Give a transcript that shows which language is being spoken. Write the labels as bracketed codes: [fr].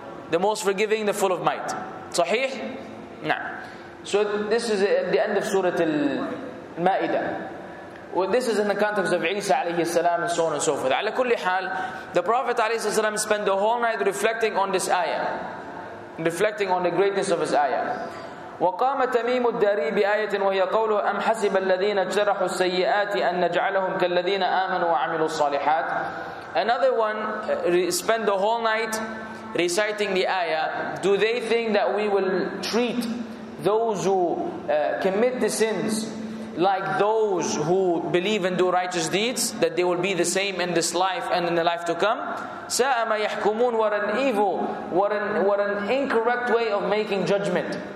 [en] The most forgiving, the full of might. Sahih? Nah. So this is at the end of Surah Al-Ma'idah. Well, this is in the context of Isa alayhi salam and so on and so forth. Ala kulli hal, the Prophet alayhi salam spent the whole night reflecting on this ayah. Reflecting on the greatness of his ayah. [ar] وقام تميم الداري بآية وهي قوله أم حسب الذين اجترحوا السيئات أن نجعلهم كالذين آمنوا وعملوا الصالحات. [en] Another one spent the whole night reciting the ayah. Do they think that we will treat those who commit the sins like those who believe and do righteous deeds, that they will be the same in this life and in the life to come? [ar] سَاءَ مَا يَحْكُمُونَ. [en] What an evil, what an incorrect way of making judgment.